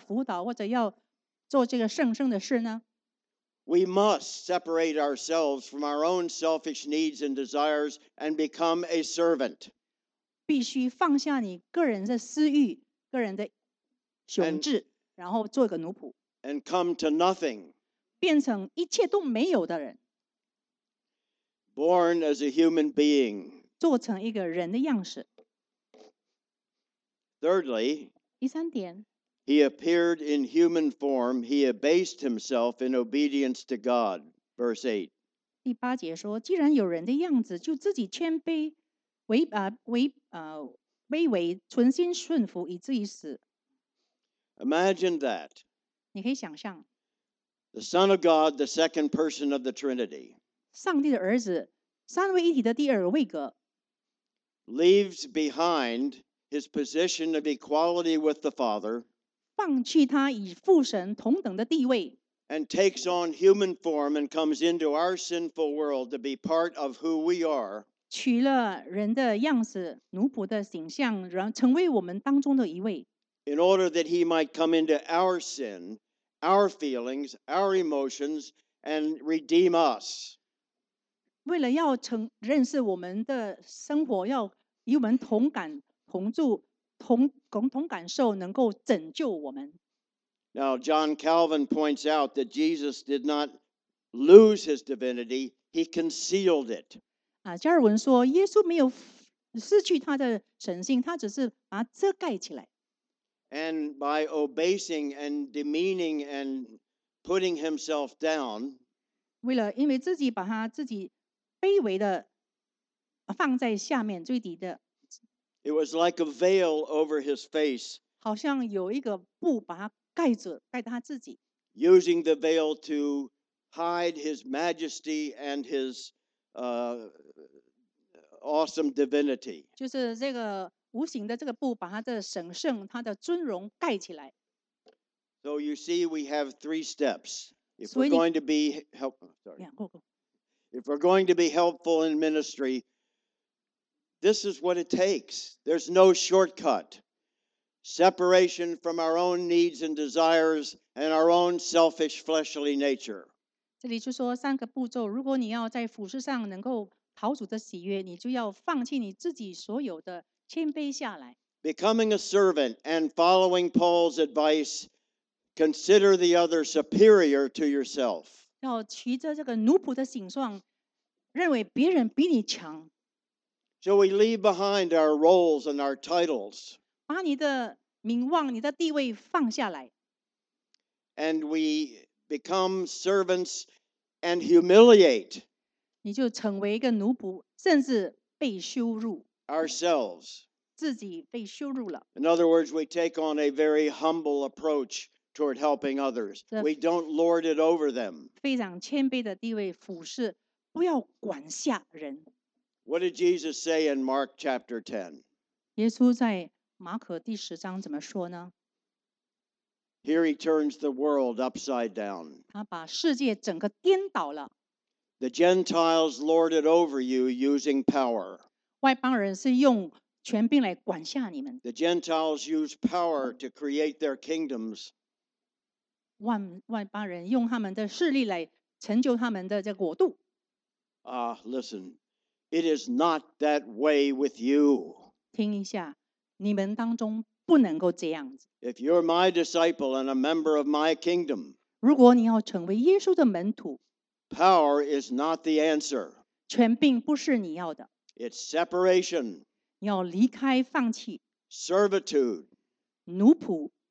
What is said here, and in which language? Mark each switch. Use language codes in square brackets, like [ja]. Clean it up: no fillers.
[zh] 所以当你准备要辅导,要服侍,要讲道,要辅导,或者要做这个圣圣的事呢? [en] We must separate ourselves from our own selfish needs and desires and become a servant. [zh] 必须放下你个人的私欲、个人的雄志，然后做一个奴仆。 [en] And come to nothing. [zh] 变成一切都没有的人。 [en] Born as a human being. [zh] 做成一个人的样式。 [en] Thirdly, [zh] 第三点。 [en] He appeared in human form. He abased himself in obedience to God. Verse 8. [zh] 第八节说，既然有人的样子，就自己谦卑，卑微，存心顺服，以至于死。 [en] Imagine that. [zh] 你可以想象。 [en] The Son of God, the second person of the Trinity. [zh] 上帝的儿子，三位一体的第二位格。 [en] Leaves behind his position of equality with the Father. [zh] 放弃他与父神同等的地位。 [en] And takes on human form and comes into our sinful world to be part of who we are. [zh] 取了人的样子，奴仆的形象，然后成为我们当中的一位。 [en] In order that he might come into our sin, our feelings, our emotions, and redeem us. [zh] 为了要成认识我们的生活，要与我们同感同住同感受，能够拯救我们。 [en] Now, John Calvin points out that Jesus did not lose his divinity; he concealed it. [zh] 加尔文说，耶稣没有失去他的神性，他只是把它遮盖起来。 [en] And by abasing and demeaning and putting himself down, [zh] 为了因为自己把他自己卑微的放在下面最低的。 [en] It was like a veil over his face. [zh] 好像有一个布把他盖着，盖着他自己。 [en] Using the veil to hide his majesty and his awesome divinity. [zh] 就是这个。无形的这个布把他的神圣他的尊荣盖起来。 [en] So you see we have three steps. If we're going to be helpful, sorry. If we're going to be helpful in ministry, this is what it takes. There's no shortcut. Separation from our own needs and desires and our own selfish fleshly nature. [zh] 这里就说三个步骤，如果你要在服事上能够讨主的喜悦，你就要放弃你自己所有的谦卑下来。 [en] Becoming a servant and following Paul's advice, consider the other superior to yourself. [zh] 要骑着这个奴仆的形状，认为别人比你强。 [en] So we leave behind our roles and our titles. [zh] 把你的名望、你的地位放下来。 [en] And we become servants and humiliate. [zh] 你就成为一个奴仆，甚至被羞辱。 [en] Ourselves. [zh] 自己被羞辱了。 [en] In other words, we take on a very humble approach toward helping others. We don't lord it over them. [zh] 非常谦卑的地位俯视，不要管辖人。 [en] What did Jesus say in Mark chapter 10? [zh] 耶稣在马可第十章怎么说呢？ [en] Here he turns the world upside down. [zh] 他把世界整个颠倒了。 [en] The Gentiles lord it over you using power. [zh] 外邦人是用权柄来管辖你们。 [en] The Gentiles use power to create their kingdoms. [zh] 外邦人用他们的势力来成就他们的这个国度。 [en] Listen, it is not that way with you. [zh] 听一下，你们当中不能够这样子。 [en] If you're my disciple and a member of my kingdom, [zh] 如果你要成为耶稣的门徒， [en] power is not the answer. [zh] 权柄不是你要的。 [en] It's separation. [zh] 要离开放弃。 [en] Servitude. [zh] 奴仆。